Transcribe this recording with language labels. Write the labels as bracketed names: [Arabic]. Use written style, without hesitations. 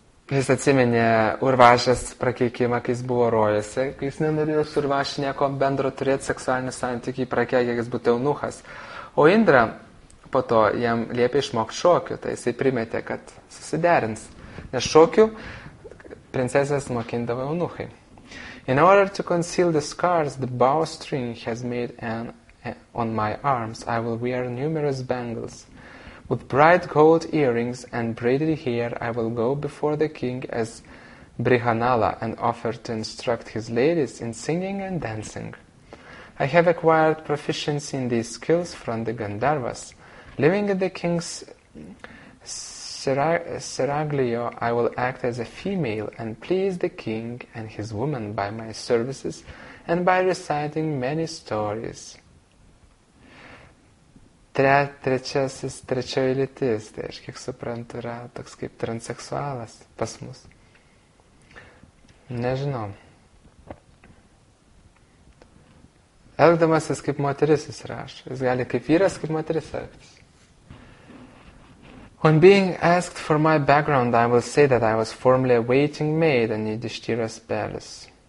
[Lithuanian] Jis atsiminė Urvašės prakeikimą, kai jis buvo rojose, kai jis nenorėjo su Urvaši nieko bendro turėti seksualinį santykį, prakeikė, kad jis būtų eunuchas. O Indra po to jam liepė išmokti šokių, tai jisai primetė, kad susiderins. Nes šokių princesės mokindavo eunuchai. [English] In order to conceal the scars the bowstring has made on my arms, I will wear numerous bangles. With bright gold earrings and braided hair, I will go before the king as Brihanala and offer to instruct his ladies in singing and dancing. I have acquired proficiency in these skills from the Gandharvas. Living in the king's seraglio, I will act as a female and please the king and his women by my services and by reciting many stories. [Lithuanian] Trečioji lytis, tai aš kiek suprantu, yra toks kaip transseksualas pas mus. Nežinau. Elgdamasis kaip moteris jis rašo. Jis gali kaip vyras, kaip moteris elgtis. [English] When being asked for my background, I will say that I was formerly a waiting maid in Yudhishthira's palace.